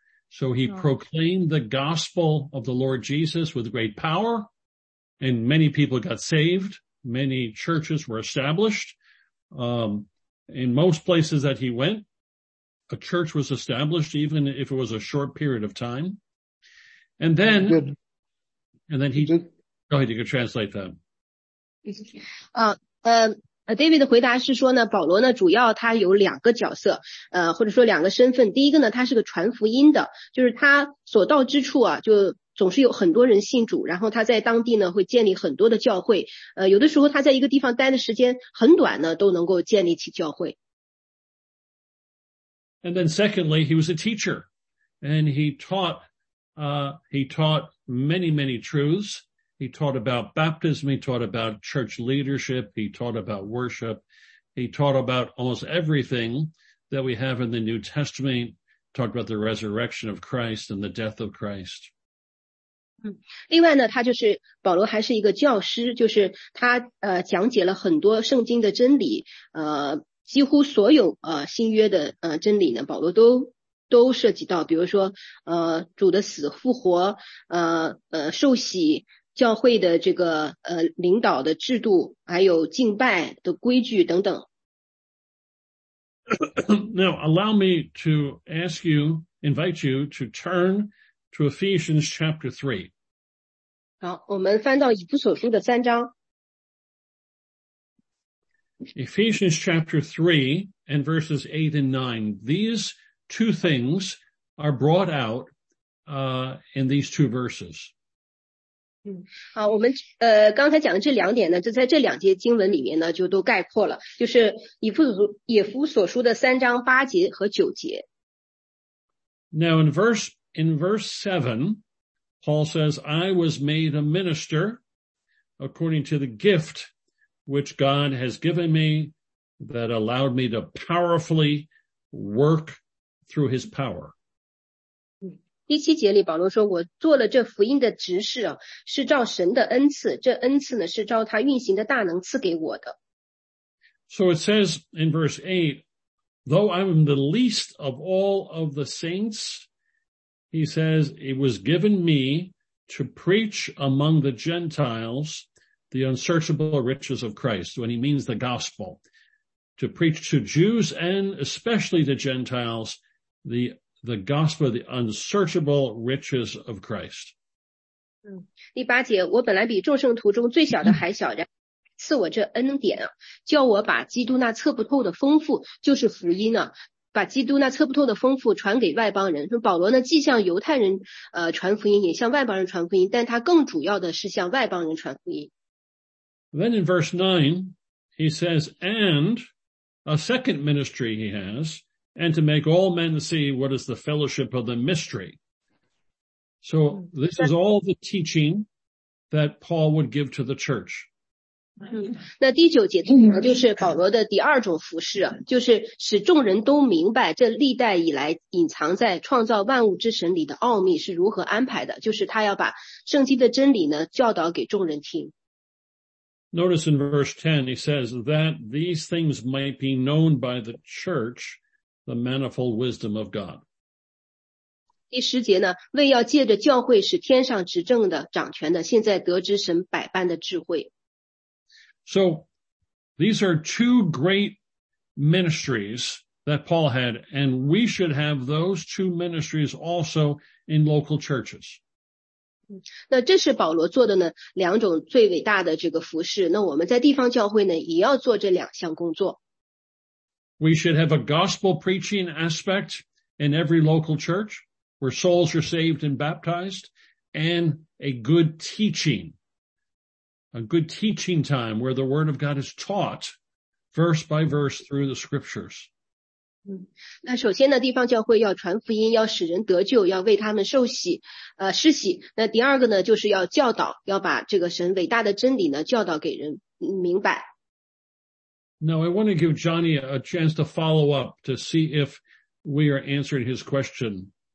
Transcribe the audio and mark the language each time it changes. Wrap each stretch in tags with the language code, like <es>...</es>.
<en>So he proclaimed the gospel of the Lord Jesus with great power and many people got saved. Many churches were established. In most places that he went, a church was established, even if it was a short period of time. And then, go ahead, you can translate that.</en> <zh>David 的回答是说呢，保罗呢主要他有两个角色，或者说两个身份。第一个呢，他是个传福音的，就是他所到之处啊，就总是有很多人信主，然后他在当地呢会建立很多的教会。有的时候他在一个地方待的时间很短呢，都能够建立起教会。</zh> <en>And then secondly, he was a teacher, and he taught many truths. He taught about baptism, he taught about church leadership, he taught about worship, he taught about almost everything that we have in the New Testament, talked about the resurrection of Christ and the death of Christ.</en> <zh>另外呢，他就是保罗还是一个教师，就是他讲解了很多圣经的真理，几乎所有新约的真理呢，保罗都涉及到，比如说主的死复活，受洗。教会的这个领导的制度，还有敬拜的规矩等等。</zh> <en>Now, allow me to ask you, invite you to turn to Ephesians chapter 3.</en> <zh>好，我们翻到以弗所书的三章。</zh> <en>Ephesians chapter 3 and verses 8 and 9. These two things are brought out, in these two verses.</en> <zh>好，我们刚才讲的这两点呢，就在这两节经文里面呢就都概括了，就是以弗所书的三章八节和九节。</zh> <en>Now in verse 7, Paul says, I was made a minister according to the gift which God has given me that allowed me to powerfully work through his power.</en> <zh>第七节里保罗说，我做了这福音的执事啊，是照神的恩赐，这恩赐呢是照他运行的大能赐给我的。</zh> <en>So it says in verse 8, though I'm the least of all of the saints, he says, it was given me to preach among the Gentiles the unsearchable riches of Christ, when he means the gospel, to preach to Jews and especially the Gentiles the gospel, the unsearchable riches of Christ.</en> <zh>第八节，我本来比众圣徒中最小的还小，然赐我这恩典啊，叫我把基督那测不透的丰富，就是福音啊，把基督那测不透的丰富传给外邦人。保罗呢，既向犹太人传福音，也向外邦人传福音，但他更主要的是向外邦人传福音。</zh> <en>Then in verse 9, he says, and a second ministry he has,And to make all men see what is the fellowship of the mystery. So this is all the teaching that Paul would give to the church.</en> <zh>那第九节就是保罗的第二种服事，就是使众人都明白这历代以来隐藏在创造万物之神里的奥秘是如何安排的，就是他要把圣经的真理呢教导给众人听。</zh> <en>Notice in verse 10, he says that these things might be known by the church. The manifold wisdom of God.</en> <zh>第十节呢，为要借着教会使天上执政的、掌权的，现在得知神百般的智慧。</zh> <en>So, these are two great ministries that Paul had, and we should have those two ministries also in local churches.</en> <zh>那这是保罗做的呢，两种最伟大的这个服事。那我们在地方教会呢，也要做这两项工作。</zh> <en>We should have a gospel preaching aspect in every local church where souls are saved and baptized and a good teaching time where the word of God is taught verse by verse through the scriptures.</en> <zh>那首先呢地方教会要传福音要使人得救要为他们受洗施洗那第二个呢就是要教导要把这个神伟大的真理呢教导给人明白。</zh> <en>Now, I want to give Johnny a chance to follow up to see if we are answering his question.</en>